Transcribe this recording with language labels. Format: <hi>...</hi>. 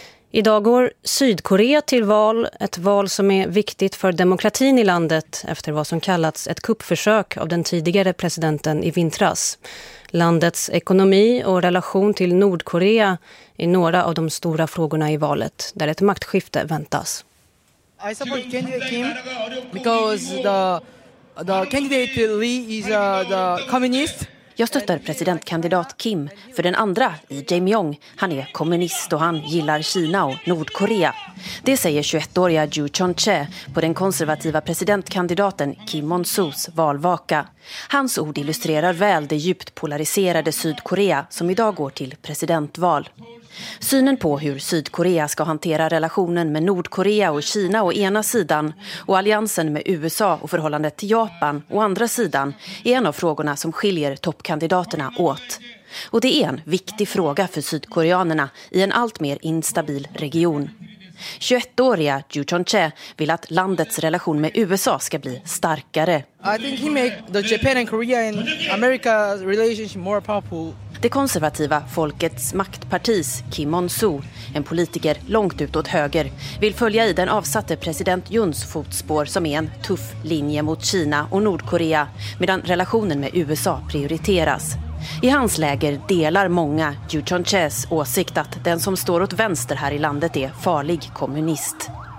<sv>Idag går Sydkorea till val, ett val som är viktigt för demokratin i landet efter vad som kallats ett kuppförsök av den tidigare presidenten i vintras. Landets ekonomi och relation till Nordkorea är några av de stora frågorna i valet där ett maktskifte väntas.</sv> <en>I support candidate Kim because the candidate Lee is the communist.</en> <sv>Jag stöttar presidentkandidat Kim, för den andra, Lee Jae-myung, han är kommunist och han gillar Kina och Nordkorea. Det säger 21-åriga Ju Chon-che på den konservativa presidentkandidaten Kim Mon-soos valvaka. Hans ord illustrerar väl det djupt polariserade Sydkorea som idag går till presidentval. Synen på hur Sydkorea ska hantera relationen med Nordkorea och Kina å ena sidan och alliansen med USA och förhållandet till Japan å andra sidan är en av frågorna som skiljer toppkandidaterna åt. Och det är en viktig fråga för sydkoreanerna i en allt mer instabil region. 21-åriga Ju Chon-che vill att landets relation med USA ska bli starkare.</sv> <en>I think he make the Japan and Korea and America's relationship more powerful.</en> <sv>Det konservativa folkets maktpartis Kim Mon-soo, en politiker långt ut åt höger, vill följa i den avsatte president Juns fotspår som är en tuff linje mot Kina och Nordkorea, medan relationen med USA prioriteras. I hans läger delar många Ju Chon-ches åsikt att den som står åt vänster här i landet är farlig kommunist.</sv>